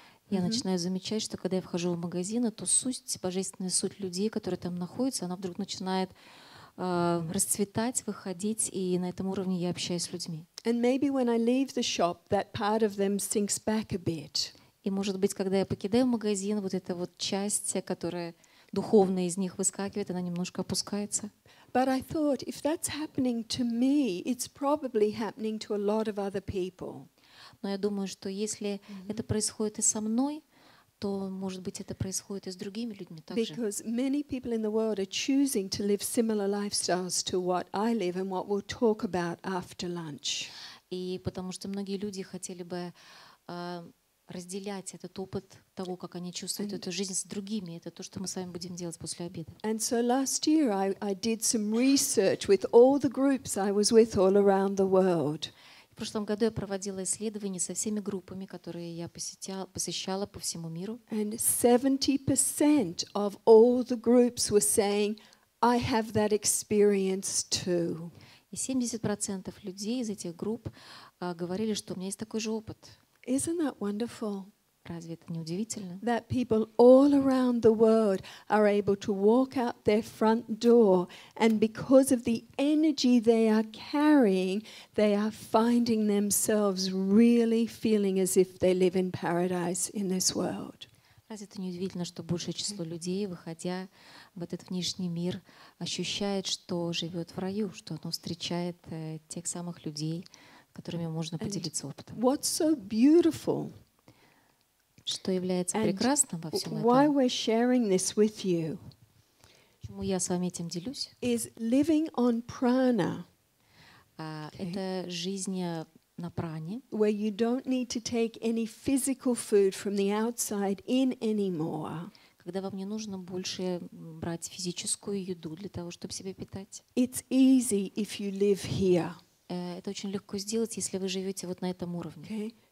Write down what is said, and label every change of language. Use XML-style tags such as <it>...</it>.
<ru>Я начинаю замечать, что когда я вхожу в магазин, то суть, божественная суть людей, которые там находятся, она вдруг начинает расцветать, выходить, и на этом уровне я общаюсь с людьми.</ru> <en>And maybe when I leave the shop, that part of them sinks back a bit.</en> <ru>И может быть, когда я покидаю магазин, вот эта вот часть, которая духовная из них выскакивает, она немножко опускается.</ru> <en>But I thought, if that's happening to me, it's probably happening to a lot of other people.</en> <ru>Но я думаю, что если это происходит и со мной, то, может быть, это происходит и с другими людьми также.</ru> <en>Because many people in the world are choosing to live similar lifestyles to what I live and what we'll talk about after lunch.</en> <ru>И потому что многие люди хотели бы разделять этот опыт того, как они чувствуют эту жизнь с другими. Это то, что мы с вами будем делать после обеда.</ru> <en>And so last year I did some research with all the groups I was with all around the world.</en> <ru>В прошлом году я проводила исследования со всеми группами, которые я посещала по всему миру.</ru> <en>And 70% of all the groups were saying, I have that experience too.</en> <ru>И 70% людей из этих групп говорили, что у меня есть такой же опыт.</ru> <en>Isn't that wonderful?</en> <ru>Разве это не удивительно?</ru> <en>That people all around the world are able to walk out their front door, and because of the energy they are carrying, they are finding themselves really feeling as if they live in paradise in this world.</en> <ru>Разве это не удивительно, что большее число людей, выходя в этот внешний мир, ощущает, что живет в раю, что оно встречает тех самых людей, которыми можно поделиться опытом?</ru> <en>What's so beautiful?</en> <ru>Что является прекрасным во всем этом?</ru> <en>Why we're sharing this with you?</en> <ru>Почему я с вами этим делюсь?</ru> <en>Is living on prana.</en> <ru>Это жизнь на пране.</ru> <en>Where you don't need to take any physical food from the outside in anymore.</en> <ru>Когда вам не нужно больше брать физическую еду для того, чтобы себя питать.</ru> <en>It's easy if you live here.</en> <ru>Это очень легко сделать, если вы живете вот на этом уровне.</ru>